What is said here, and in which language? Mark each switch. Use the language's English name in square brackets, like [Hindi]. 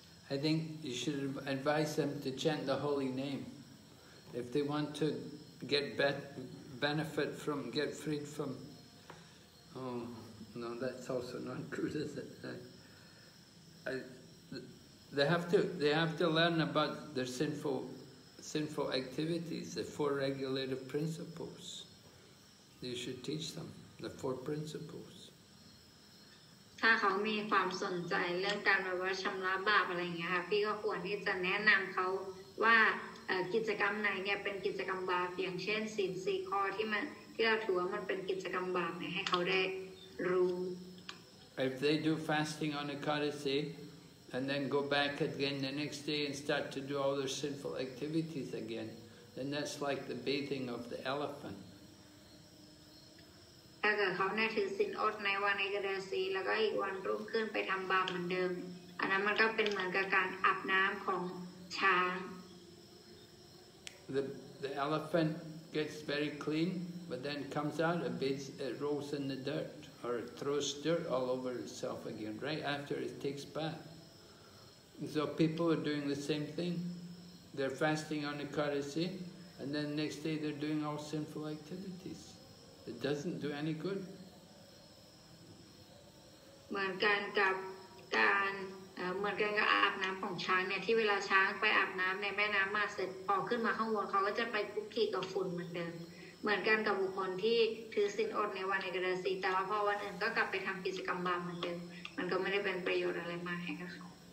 [English] I think you should advise them to chant the holy name if they want to get benefit from get freed from oh no that's also not true is it they have to learn about their sinful activities the four regulative principles you should teach them the four principles [Thai] ถ้าเขามีความสนใจเรื่องการแบบว่าชำระบาปอะไรเงี้ยค่ะพี่ก็ควรที่จะแนะนำเขาว่ากิจกรรมไหนเนี่ยเป็นกิจกรรมบาปอย่างเช่นศีลสี่ข้อที่เราถือว่ามันเป็นกิจกรรมบาปเนี่ยให้เขาได้รู้ [English] If they do fasting on ekadasi and then go back again the next day and start to do all their sinful activities again, then that's like the bathing of the elephant. [Thai] ถ้าเกิดเขาได้ถือศีลอดในวันในกระดาษีแล้วก็อีกวันรุ่งขึ้นไปทำบาปเหมือนเดิมอันนั้นมันก็เป็นเหมือนกับการอาบน้ำของช้าง [English] The elephant gets very clean but then comes out and it rolls in the dirt or it throws dirt all over itself again right after it takes bath so people are doing the same thing they're fasting on ekadasi and then next day they're doing all sinful activitiesIt doesn't do any good. [Thai] เหมือนกันกับการเหมือนกันกับอาบน้ำของช้างเนี่ยที่เวลาช้างไปอาบน้ำในแม่น้ำมาเสร็จพอขึ้นมาข้างบนเขาก็จะไปคุกคีกับฝุ่นเหมือนเดิมเหมือนกันกับบุคคลที่ถือศีลอดในวันในกระดาษีแต่ว่าพอวันอื่นก็กลับไปทำกิจกรรมบาปเหมือนเดิมมันก็ไม่ได้เป็นประโยชน์อะไรมากให้กับเขา